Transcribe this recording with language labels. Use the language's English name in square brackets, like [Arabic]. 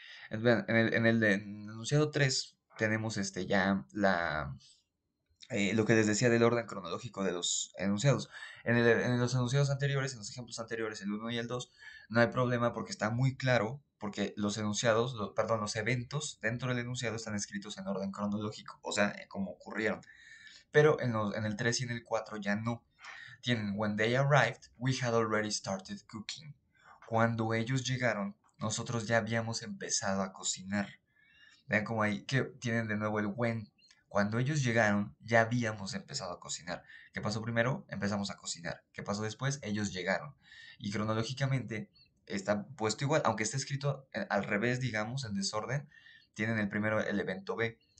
[Spanish] Vean, en el enunciado 3 tenemos ya lo que les decía del orden cronológico de los enunciados. En los enunciados anteriores, en los ejemplos anteriores, el 1 y el 2, no hay problema porque está muy claro, porque los enunciados, perdón, los eventos dentro del enunciado están escritos en orden cronológico, o sea, como ocurrieron. Pero en el 3 y en el 4 ya no. Tienen, [English] when they arrived, we had already started cooking. [Spanish] Cuando ellos llegaron, nosotros ya habíamos empezado a cocinar. Vean cómo ahí, que tienen de nuevo el when. Cuando ellos llegaron, ya habíamos empezado a cocinar. ¿Qué pasó primero? Empezamos a cocinar. ¿Qué pasó después? Ellos llegaron. Y cronológicamente está puesto igual, aunque está escrito al revés, digamos, en desorden, tienen el primero el evento B.